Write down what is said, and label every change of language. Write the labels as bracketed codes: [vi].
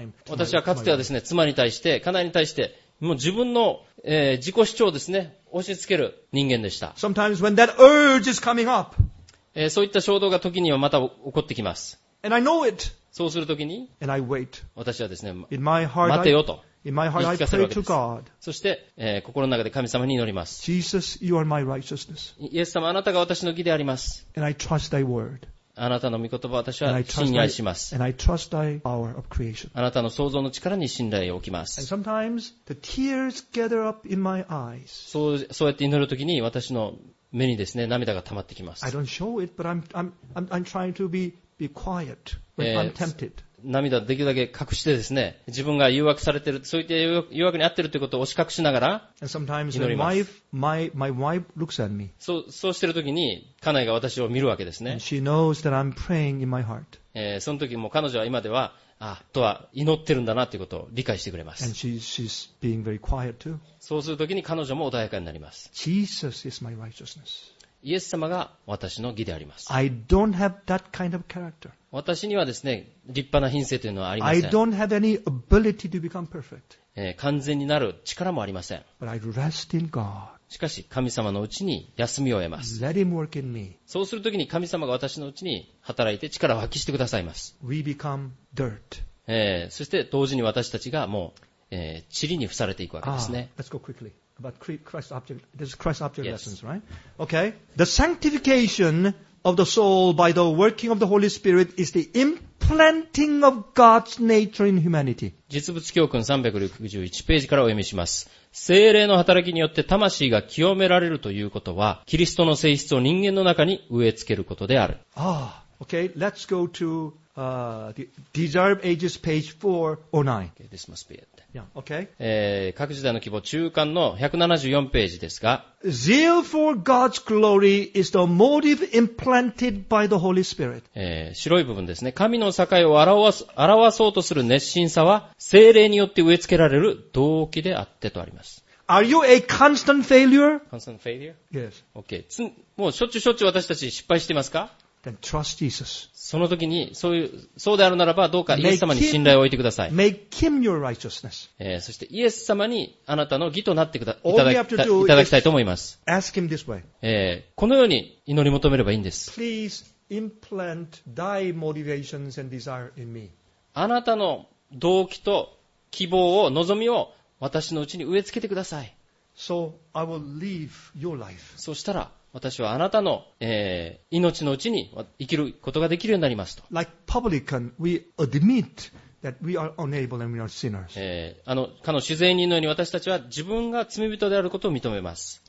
[ja] 私はかつてはですね、妻に対して、家内に対して、もう自分の、自己主張をですね、押し付ける人間でした。 [en] Sometimes when that urge is coming up, [ja] そういった衝動が時にはまた起こってきます。 [en] And I know it. [ja] そうするときに、 [en] And I wait. [ja] 私はですね、 [en] In my heart, [ja] 待てよと。 [en] In my heart, I pray to God. [ja] そして、心の中で神様に祈ります。 [en] Jesus, you are my righteousness. [ja] イエス様、あなたが私の義であります。 [en] And I trust thy word. [ja] あなたの御言葉を私は信頼します。 [en] And I trust thy power of creation. [ja] あなたの創造の力に信頼を置きます。 [en] And sometimes the tears gather up in my eyes. [ja] そうやって祈るときに私の目にですね、涙が溜まってきます。 [en] I don't show it, but I'm trying to be quiet when I'm tempted. [ja] 涙できるだけ隠してですね、自分が誘惑されている、そういった誘惑に遭っているということを押し隠しながら祈ります。 [en] And sometimes my wife looks at me. [ja] そうしているときに、家内が私を見るわけですね。 [en] And she knows that I'm praying in my heart. [ja] そのときも彼女は今では、とは祈ってるんだなということを理解してくれます。 [en] And she's being very quiet too. [ja] そうするときに彼女も穏やかになります。 [en] Jesus is my righteousness. [ja] イエス様が私の義であります。 [en] I don't have that kind of character. [ja] 私にはですね、立派な品性というのはありません。 [en] I don't have any ability to become perfect. [ja] 完全になる力もありません。 [en] But I rest in God. [ja] しかし、神様のうちに休みを得ます。 [en] Let him work in me. [ja] そうするときに神様が私のうちに働いて力を発揮してくださいます。 [en] We become dirt. [ja] そして同時に私たちがもう、塵に伏されていくわけですね。 [en] Let's go quickly. About Christ object. This is Christ object lessons, right? Okay. The sanctification of the soul by the working of the Holy Spirit is the implanting of God's nature in humanity. [ja] 実物教訓361ページからお読みします。聖霊の働きによって魂が清められるということは、キリストの性質を人間の中に植え付けることである。 [en] Okay. Let's go to the Desire of Ages page 409. Okay. This must be it. Yeah, okay. [ja] 各時代の希望中間の174ページですが、 [en] Zeal for God's glory is the motive implanted by the Holy Spirit. [ja] 白い部分ですね。神の栄を表そうとする熱心さは、聖霊によって植え付けられる動機であってとあります。 [en] Are you a constant failure? Constant failure? Yes. Okay. [ja] もうしょっちゅうしょっちゅう私たち失敗していますか？ [en] Then trust Jesus. [ja] その時にそうであるならばどうかイエス様に信頼を置いてください。 [en] Make him your righteousness. [ja] そしてイエス様にあなたの義となっていただきたいと思います。 [en] Ask him this way. [ja] このように祈り求めればいいんです。 [en] Please implant thy motivations and desire in me. [ja] あなたの動機と希望を望みを私のうちに植え付けてください。 [en] So I will leave your life. [ja] そしたら私はあなたの、命のうちに生きることができるようになりますと。 [en] Like publican, we admit that we are unable and we are sinners. [ja] かの主税人のように私たちは自分が罪人であることを認めます。